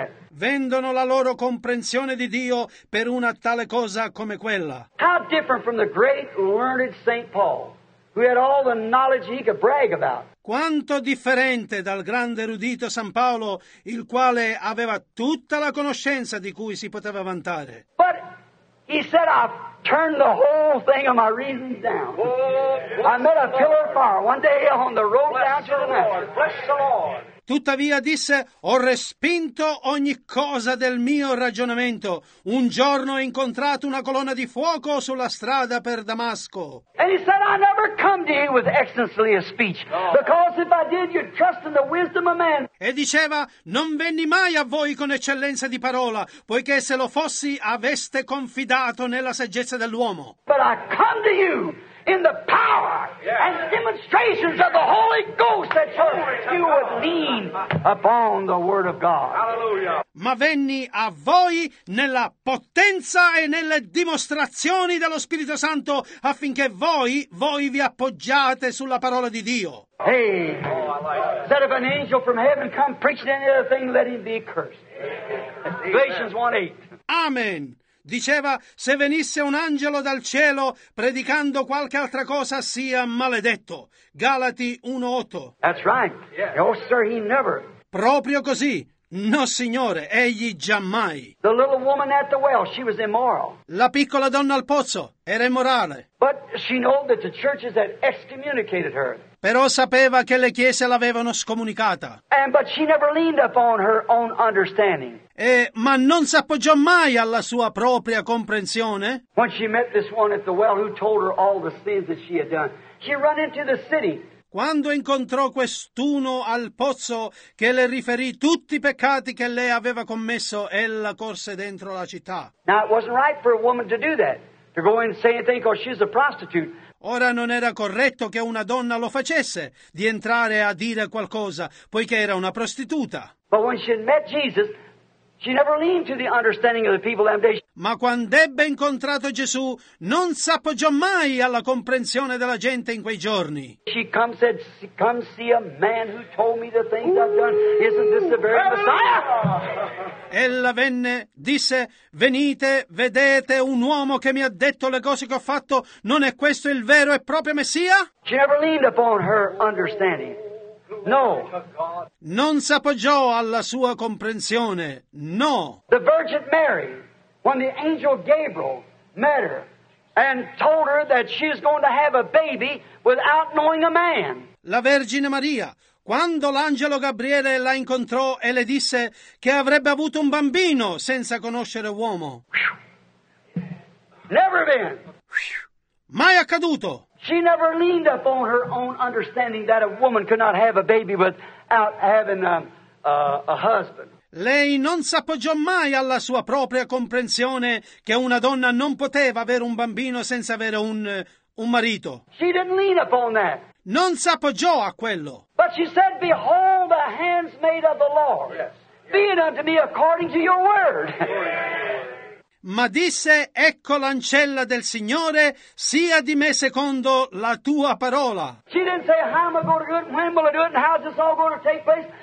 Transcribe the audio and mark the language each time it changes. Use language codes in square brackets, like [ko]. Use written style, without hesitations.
[it] Vendono la loro comprensione di Dio per una tale cosa come quella. [en] How different from the great learned Saint Paul. Who had all the knowledge he could brag about. [it] Quanto differente dal grande erudito San Paolo, il quale aveva tutta la conoscenza di cui si poteva vantare. [en] But he said, I've turned the whole thing of my reason down. I met a pillar of fire one day on the road down to the Lord. Bless the Lord. [it] Tuttavia disse, ho respinto ogni cosa del mio ragionamento. Un giorno ho incontrato una colonna di fuoco sulla strada per Damasco. [en] And he said, I never come to you with excellency of speech, because if I did, you'd trust in the wisdom of man. [it] E diceva, non venni mai a voi con eccellenza di parola, poiché se lo fossi, aveste confidato nella saggezza dell'uomo. [en] But I come to you in the power and demonstrations of the Holy Ghost that you would lean upon the Word of God. Hallelujah. [it] Ma venni a voi nella potenza e nelle dimostrazioni dello Spirito Santo affinché voi vi appoggiate sulla parola di Dio. [en] Hey, instead of an angel from heaven come preaching any other thing, let him be cursed. Galatians 1:8. Amen. [it] Diceva, se venisse un angelo dal cielo predicando qualche altra cosa, sia maledetto. Galati 1:8. [en] That's right. Yeah. No, sir, he never. [it] Proprio così. No, signore, egli giammai. [en] The little woman at the well, she was immoral. [it] La piccola donna al pozzo era immorale. [en] But she knew that the churches had excommunicated her. [it] Però sapeva che le chiese l'avevano scomunicata. [en] And, but she never leaned upon her own understanding. [it] Ma non si appoggiò mai alla sua propria comprensione? [en] When she met this one at the well who told her all the sins that she had done, she ran into the city. [it] Quando incontrò quest'uno al pozzo che le riferì tutti i peccati che lei aveva commesso, ella corse dentro la città. [en] Now it wasn't right for a woman to do that, to go and say anything because she's a prostitute. [it] Ora non era corretto che una donna lo facesse, di entrare a dire qualcosa, poiché era una prostituta. [en] But when she had met Jesus, she never leaned to the understanding of the people that day. [it] Ma quando ebbe incontrato Gesù, non s'appoggiò mai alla comprensione della gente in quei giorni. [en] She come said, come see a man who told me the things I've done. Isn't this the very Messiah? [it] Ella venne, disse, venite, vedete un uomo che mi ha detto le cose che ho fatto. Non è questo il vero e proprio Messia? [en] She never leaned upon her understanding. No. [it] Non s'appoggiò alla sua comprensione. No. [en] The Virgin Mary, when the angel Gabriel met her and told her that she is going to have a baby without knowing a man. [it] La Vergine Maria, quando l'angelo Gabriele la incontrò e le disse che avrebbe avuto un bambino senza conoscere uomo. [en] Never been. [it] Mai accaduto. [en] She never leaned upon her own understanding that a woman could not have a baby without having a husband. [it] Lei non s'appoggiò mai alla sua propria comprensione che una donna non poteva avere un bambino senza avere un marito. [en] She didn't lean upon that. [it] Non s'appoggiò a quello. [en] But she said, behold the handmaid of the Lord. Yes. Be it unto me according to your word. [it] Ma disse, ecco l'ancella del Signore, sia di me secondo la tua parola. [en] She didn't say, how am I going to do it, when will I do it, and how is this all going to take place?